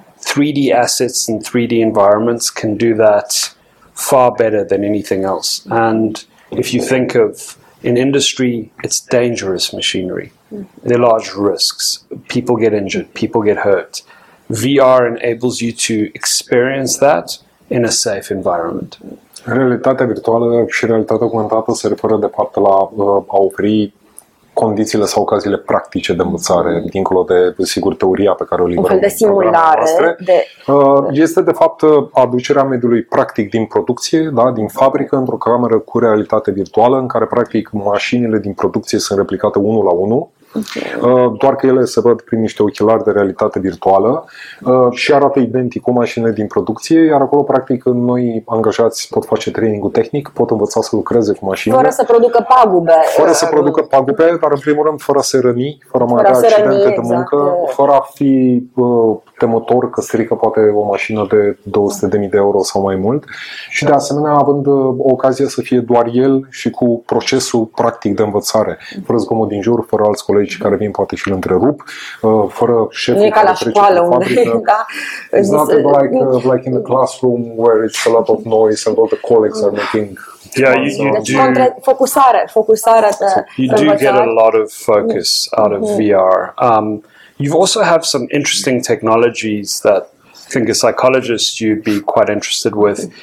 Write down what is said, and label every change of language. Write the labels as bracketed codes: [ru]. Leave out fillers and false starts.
[en] 3D assets and 3D environments can do that far better than anything else. And if you think of an industry, it's dangerous machinery. There are large risks. People get injured, people get hurt. VR enables you to experience that in a safe environment. [ro] Realitatea virtuală și realitatea augmentată se referă de fapt la a oferi condițiile sau ocaziile practice de învățare, dincolo de, sigur, teoria pe care o livrăm. Un fel de simulare. Este, de fapt, aducerea mediului practic din producție, da, din fabrică, într-o cameră cu realitate virtuală, în care, practic, mașinile din producție sunt replicate unul la unul. Doar că ele se văd prin niște ochelari de realitate virtuală și arată identic o mașină din producție, iar acolo, practic, noi angajați pot face trainingul tehnic, pot învăța să lucreze cu mașinile. Fără să producă pagube. Fără să producă pagube, dar în primul rând fără a se răni, fără a avea accidente de muncă, exact. Fără a fi temător că strică poate o mașină de 200.000 de euro sau mai mult. Și de asemenea, având ocazia să fie doar el și cu procesul practic de învățare, fără zgomot din jur, fără alți colegi care vin poate și îl întrerup, fără șeful. Nu e ca la școală, unde, da? [en] It's not like in the classroom where it's a lot of noise and all the colleagues are making. Yeah, you do. [ro] Focusare. [en] You do get a lot of focus out of VR. You also have some interesting technologies that I think a psychologist you'd be quite interested with.